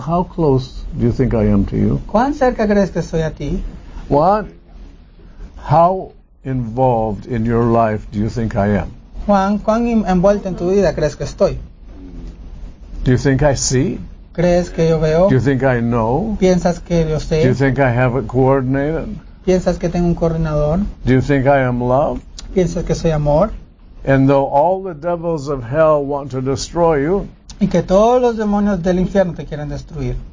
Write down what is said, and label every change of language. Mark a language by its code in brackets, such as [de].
[en] How close do you think I am to you? [es] ¿Cuán cerca crees que soy a ti? [en] Juan, how involved in your life do you think I am? [es] Juan, ¿cuán envuelto en tu vida crees que estoy? [en] Do you think I see? [es] ¿Crees que yo veo? [en] Do you think I know? [es] ¿Piensas que yo sé? [en] Do you think I have it coordinated? [es] ¿Piensas que tengo un coordinador? [en] Do you think I am love? [es] ¿Piensas que soy amor? [en] And though all the devils of hell want to destroy you, [es] y que todos los demonios del infierno te quieren destruir.